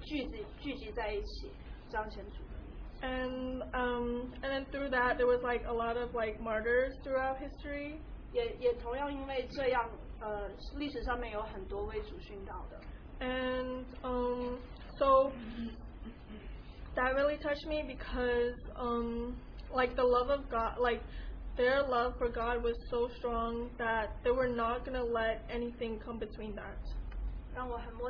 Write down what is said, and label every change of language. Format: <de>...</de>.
<zh>让我很摸着的是，他们都不惧怕，他们愿意聚集在一起彰显主的。</zh> <en>And then through that, there was like a lot of like martyrs throughout history.</en> <zh>也同样因为这样，历史上面有很多为主殉道的。</zh> <en>And so that really touched me because like the love of God, like their love for God was so strong that they were not gonna let anything come between that.</en>